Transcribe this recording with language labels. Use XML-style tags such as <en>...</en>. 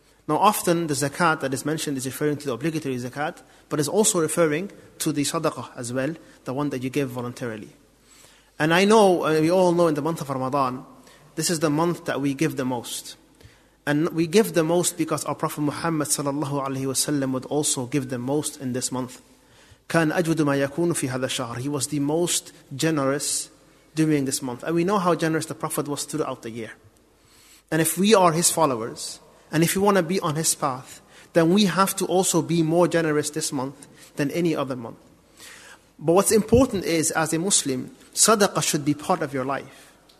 <en>Now often the zakat that is mentioned is referring to the obligatory zakat, but is also referring to the sadaqah as well, the one that you give voluntarily. And I know, we all know in the month of Ramadan, this is the month that we give the most. And we give the most because our Prophet Muhammad sallallahu alaihi wasallam would also give the most in this month.</en> <ar>كان أجود ما يكون في هذا الشهر.</ar> <en>He was the most generous during this month. And we know how generous the Prophet was throughout the year. And if we are his followers, and if we want to be on his path, then we have to also be more generous this month than any other month. But what's important is, as a Muslim, sadaqah should be part of your life.</en>